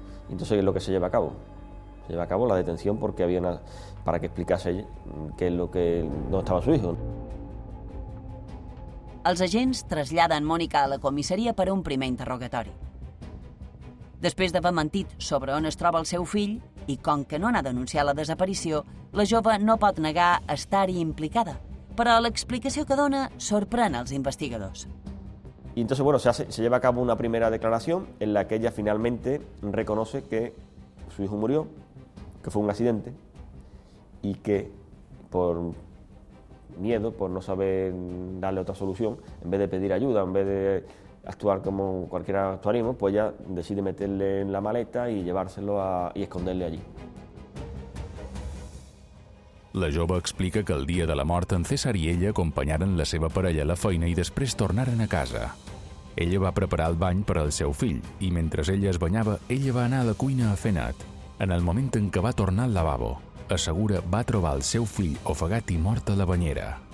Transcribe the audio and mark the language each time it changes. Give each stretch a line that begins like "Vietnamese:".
Spanish: Entonces, lo que se lleva a cabo. Se lleva a cabo la detención porque había una... para que explicase qué es lo que... dónde estaba su hijo.
Catalan: Els agents traslladen Mònica a la comissaria per a un primer interrogatori. Després d'haver mentit sobre on es troba el seu fill, i com que no n'ha denunciat la desaparició, la jove no pot negar estar-hi implicada. Però l'explicació que dona sorprèn els investigadors.
Spanish: Y entonces, bueno, se lleva a cabo una primera declaración en la que ella finalmente reconoce que su hijo murió, que fue un accidente, y que por... miedo por no saber darle otra solución, en vez de pedir ayuda, en vez de actuar como cualquiera actuaríamos, pues ya decide meterle en la maleta y llevárselo y esconderle allí.
Catalan: La jove explica que el dia de la mort en César i ella acompanyaren la seva parella a la feina i després tornaren a casa. Ella va preparar el bany per al seu fill i mentre ella es banyava, ella va anar a la cuina a fer net. En el moment en què va tornar al lavabo, assegura va trobar el seu fill ofegat i mort a la banyera.